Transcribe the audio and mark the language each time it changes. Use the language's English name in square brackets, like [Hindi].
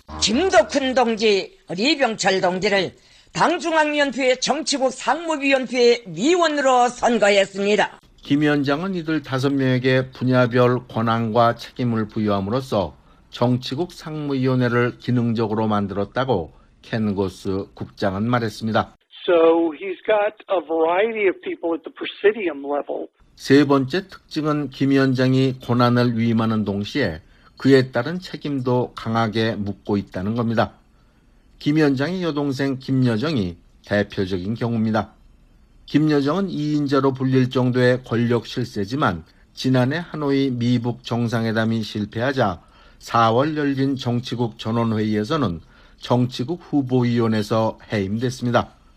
[Korean] 김덕훈 동지, 리병철 동지를 당중앙위원회 정치국 상무위원회 위원으로 선거했습니다. 김 위원장은 이들 5명에게 분야별 권한과 책임을 부여함으로써 정치국 상무위원회를 기능적으로 만들었다고 켄고스 국장은 말했습니다. [English] So he's got a variety of people at the presidium level. [Korean] 세 번째 특징은 김 위원장이 권한을 위임하는 동시에 그에 따른 책임도 강하게 묻고 있다는 겁니다. 김 위원장의 여동생 김여정이 대표적인 경우입니다. 김여정은 2인자로 불릴 정도의 권력 실세지만 지난해 하노이 미북 정상회담이 실패하자 4월 열린 정치국 전원회의에서는 정치국 후보위원에서 해임됐습니다.